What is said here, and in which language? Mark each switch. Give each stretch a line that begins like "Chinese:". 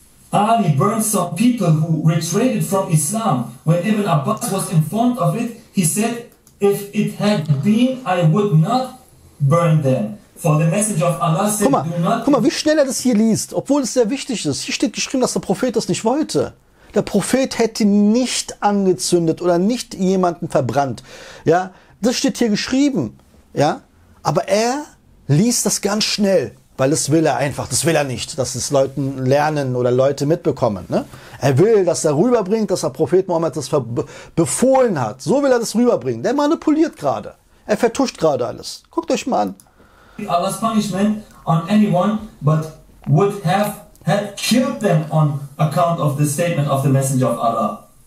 English: Ali burned some people who retreated from Islam. When Ibn Abbas was informed of it, he said, if it had been, I would not burn them. For the message of Allah said,
German: guck mal,
English: do not...
German: Guck mal, wie schnell er das hier liest, obwohl es sehr wichtig ist. Hier steht geschrieben, dass der Prophet das nicht wollte. Der Prophet hätte nicht angezündet oder nicht jemanden verbrannt. Ja, das steht hier geschrieben. Ja, aber er... Lies das ganz schnell, weil das will er einfach, das will er nicht, dass es Leuten lernen oder Leute mitbekommen. Ne? Er will, dass er rüberbringt, dass der Prophet Mohammed das befohlen hat. So will er das rüberbringen. Der manipuliert gerade. Er vertuscht gerade alles. Guckt euch mal an.
English: Allah's punishment on anyone, but would have had killed them on account of the statement of the messenger of Allah.